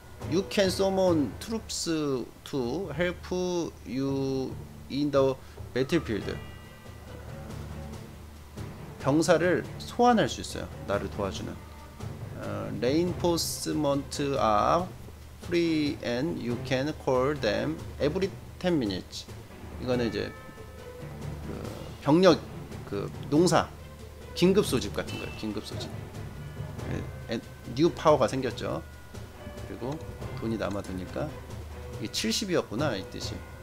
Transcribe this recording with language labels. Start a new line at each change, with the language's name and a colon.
English: You can summon troops to help you in the battlefield.
Korean: 병사를 소환할 수 있어요. 나를 도와주는.
English: Reinforcements are free and you can call them every 10 minutes.
Korean: 이거는 이제 그 병력, 그 농사, 긴급 소집 같은 거예요. 긴급 소집. 뉴 파워가 생겼죠. 그리고 돈이 남아두니까 이게 70이었구나 이 뜻이.